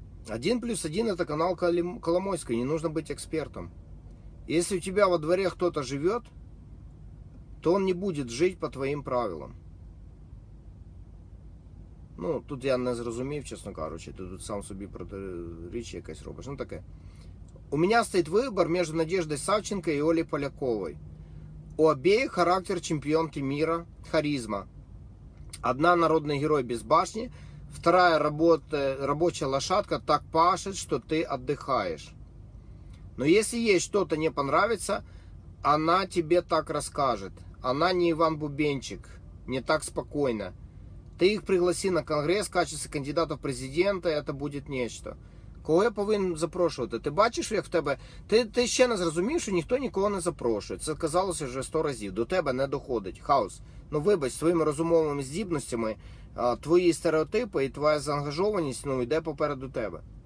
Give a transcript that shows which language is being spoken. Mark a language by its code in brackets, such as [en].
[ru] Один плюс один — это канал Коломойский, не нужно быть экспертом. Если у тебя во дворе кто-то живет, то он не будет жить по твоим правилам. [uk] Ну, тут я не зрозумів, чесно кажучи, ти тут сам собі протиріч якась робиш. Ну таке. У мене стоїть вибір між Надеждой Савченко і Олей Поляковою. У обеих характер чемпіонки міра, харизма. Одна — народний герой без башні, вторая — робоча лошадка, так паше, що ти віддихаєш. [ru] Но если ей что-то не понравится, она тебе так расскажет. Она не Иван Бубенчик, не так спокойно. Ты их пригласи на конгресс в качестве кандидата в президенты, это будет нечто. [uk] Кого я повинен запрошувати? Ти бачиш, як в тебе... Ти ще не зрозумів, що ніхто нікого не запрошує. Це казалося вже 100 разів. До тебе не доходить. Хаос. Ну вибач, своїми розумовими здібностями, твої стереотипи і твоя заангажованість, ну, йде попереду тебе.